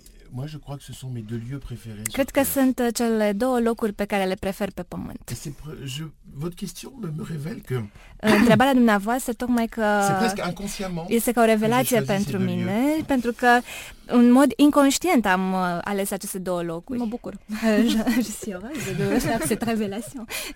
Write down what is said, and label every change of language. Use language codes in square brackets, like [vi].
[fr] Moi je crois que ce sont mes deux lieux préférés. [ro] Cred că sunt cele două locuri pe care le prefer pe pământ. [fr] Votre question me révèle que [ro] întrebarea dumneavoastră tocmai că [fr] c'est presque inconsciemment. [ro] Este ca o revelație pentru mine, pentru că în mod inconștient am ales aceste două locuri. Mă bucur. [fr] Je suis heureuse de cette révélation.